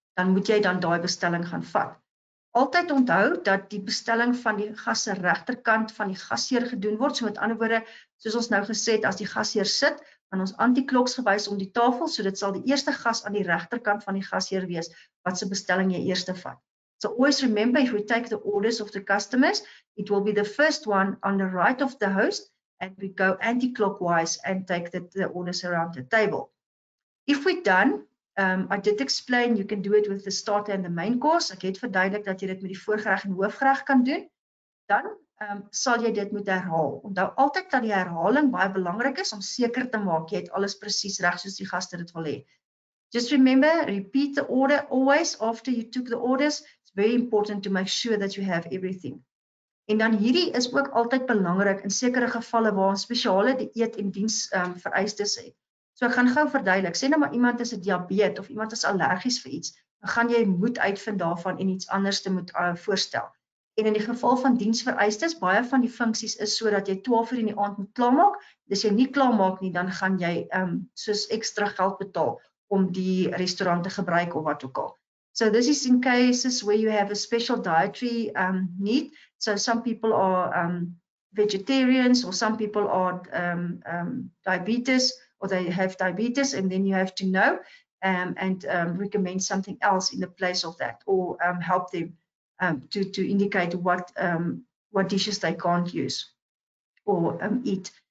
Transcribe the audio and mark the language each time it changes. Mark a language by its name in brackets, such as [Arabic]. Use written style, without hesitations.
[Afrikaans] Dan moet jy dan daai bestelling gaan vat. Altyd onthou dat die bestelling van die gas se regterkant van die gasheer gedoen word. So met ander woorde, soos ons nou gesê het, as die gasheer sit, dan ons anti-kloks gewys om die tafel, so dit sal die eerste gas aan die regterkant van die gasheer wees wat se bestelling jy eerste vat. [English] So always remember, if we take the orders of the customers, it will be the first one on the right of the host and we go anti-clockwise and take the orders around the table. If we done, I did explain you can do it with the starter and the main course. [Afrikaans] Ek het verduidelik dat jy dit met die voorgereg en hoofgereg kan doen. Dan sal jy dit moet herhaal. Onthou altyd dat die herhaling baie belangrik is om seker te maak jy het alles presies reg soos die gaste dit wil hê. [English] Just remember, repeat the order always after you took the orders. It's very important to make sure that you have everything. [Afrikaans] En dan hierdie is ook altyd belangrik in sekere gevalle waar ons spesiale dieet en diens vereistes het. So ek gaan gou verduidelik. Sê nou maar iemand is 'n diabeet of iemand is allergies vir iets, dan gaan jy moet uitvind daarvan en iets anders te moet voorstel. En in die geval van diensvereistes, baie van die funksies is sodat jy 12 uur in die aand moet klaarmaak. As jy nie klaarmaak nie, dan gaan jy soos ekstra geld betaal om die restaurant te gebruik of wat ook al. [English] So this is in cases where you have a special dietary need. So some people are vegetarians or some people are diabetes or they have diabetes and then you have to know and recommend something else in the place of that or help them to indicate what dishes they can't use or eat.